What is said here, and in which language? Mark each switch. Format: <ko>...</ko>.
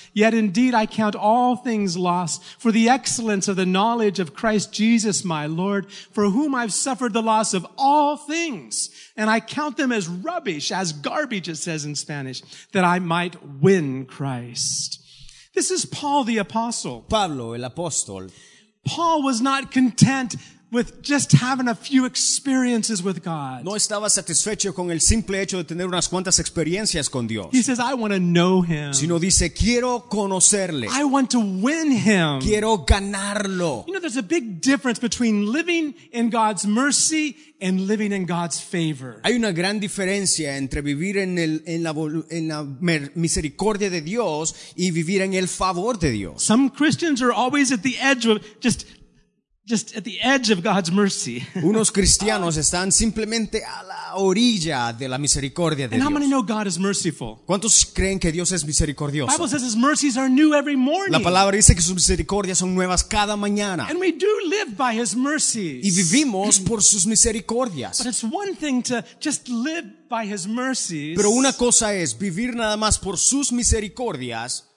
<en>Yet indeed I count all things loss for the excellence of the knowledge of Christ Jesus my Lord, for whom I've suffered the loss of all things. And I count them as rubbish, as garbage, it says in Spanish, that I might win Christ. This is Paul the apostle.</en> <es>Pablo el apóstol.</es> <en>Paul was not content with just having a few experiences with God.</en> <es>No estaba satisfecho con el simple hecho de tener unas cuantas experiencias con Dios.</es> <en>He says, I want to know him.</en> <es>Sino dice, quiero conocerle.</es> <en>I want to win him.</en> <es>Quiero ganarlo.</es> <en>You know, there's a big difference between living in God's mercy and living in God's favor.</en> <es>Hay una gran diferencia entre vivir en la misericordia de Dios y vivir en el favor de Dios.</es> <en>Some Christians are always at the edge of just at the edge of God's mercy.</en> <es>Unos cristianos están simplemente a la orilla de la misericordia de Dios.</es> <en>And how many know God is merciful?</en> <es>¿Cuántos creen que Dios es misericordioso?</es> <en>The Bible says his mercies are new every morning.</en> <es>La palabra dice que sus misericordias son nuevas cada mañana.</es> <en>And we do live by his mercies.</en> <es>Y vivimos por sus misericordias.</es> <en>But it's one thing to just live by his mercies.</en> <es>Pero una cosa es vivir nada más por sus misericordias,</es>